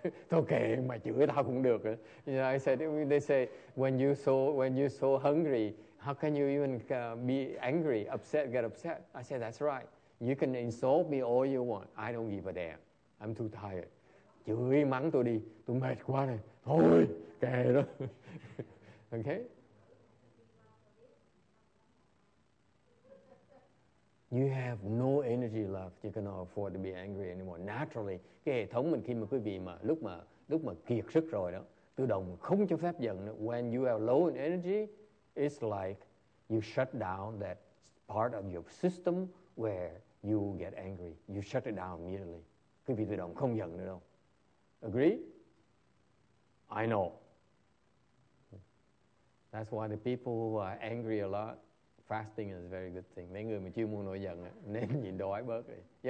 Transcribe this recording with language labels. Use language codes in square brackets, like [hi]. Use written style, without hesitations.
[vi] Thôi kệ mà chửi tao cũng được. [en] I said, they say, when you so hungry, how can you even be angry, upset, get upset? I said, that's right. You can insult me all you want. I don't give a damn. I'm too tired. [vi] Chửi mắng tôi đi, tôi mệt quá này. Thôi, kệ đó. [en] Okay? You have no energy left. You cannot afford to be angry anymore. Naturally, [vi] cái hệ thống mình khi mà quý vị mà lúc mà kiệt sức rồi đó, tự động không cho phép giận nữa. [en] When you are low in energy, it's like you shut down that part of your system where you get angry. You shut it down immediately. [vi] Quý vị tự động không giận nữa đâu. [en] Agree? I know. That's why the people who are angry a lot, fasting is a very good thing. [vi] Mấy người mà chưa muốn nổi giận nên nhịn đói bớt đi.